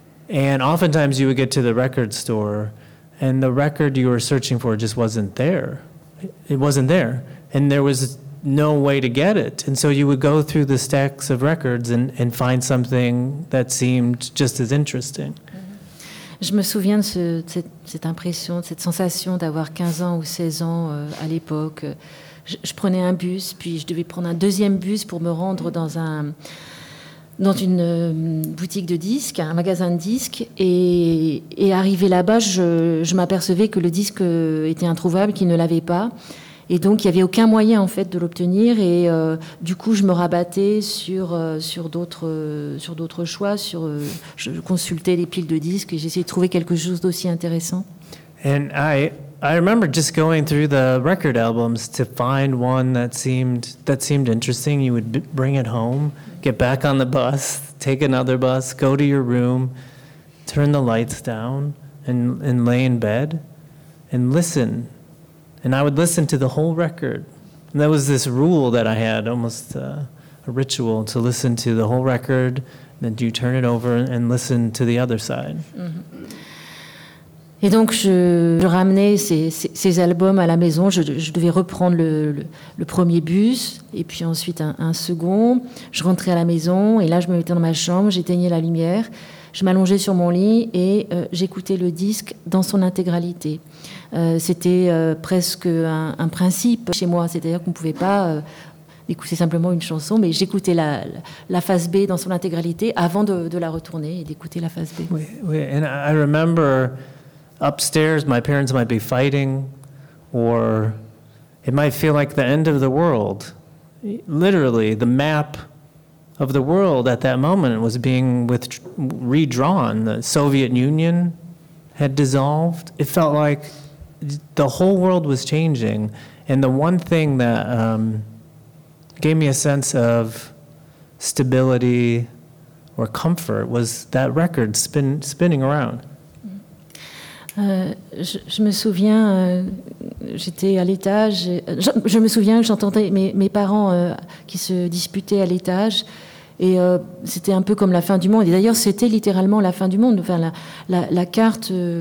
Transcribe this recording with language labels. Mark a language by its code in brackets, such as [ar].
[en] And oftentimes you would get to the record store and the record you were searching for just wasn't there. It wasn't there. And there was no way to get it. And so you would go through the stacks of records and find something that seemed just as interesting. [fr] Je me souviens de cette impression, de cette sensation d'avoir 15 ans ou 16 ans à l'époque. Je prenais un bus, puis je devais prendre un deuxième bus pour me rendre dans une boutique de disques, un magasin de disques. Et arrivé là-bas, je m'apercevais que le disque était introuvable, qu'il ne l'avait pas. Et donc, il n'y avait aucun moyen, en fait, de l'obtenir. Et du coup, je me rabattais sur d'autres choix. Je consultais les piles de disques et j'essayais de trouver quelque chose d'aussi intéressant. [en] And I remember just going through the record albums to find one that seemed interesting. You would bring it home, get back on the bus, take another bus, go to your room, turn the lights down and lay in bed and listen. And I would listen to the whole record. And that was this rule that I had, almost a ritual, to listen to the whole record then do you turn it over and listen to the other side? Mm-hmm. [fr] Et donc, je ramenais ces albums à la maison. Je devais reprendre le premier bus, et puis ensuite un second. Je rentrais à la maison, et là, je me mettais dans ma chambre, j'éteignais la lumière, je m'allongeais sur mon lit, et j'écoutais le disque dans son intégralité. C'était presque un principe chez moi, c'est-à-dire qu'on ne pouvait pas écouter simplement une chanson, mais j'écoutais la face B dans son intégralité avant de la retourner et d'écouter la face B. Oui, oui, [en] and I remember... Upstairs, my parents might be fighting, or it might feel like the end of the world. Literally, the map of the world at that moment was being redrawn. The Soviet Union had dissolved. It felt like the whole world was changing. And the one thing that gave me a sense of stability or comfort was that record spinning around. [fr] Je me souviens, j'étais à l'étage, je me souviens que j'entendais mes parents qui se disputaient à l'étage, et c'était un peu comme la fin du monde, et d'ailleurs c'était littéralement la fin du monde, enfin, la carte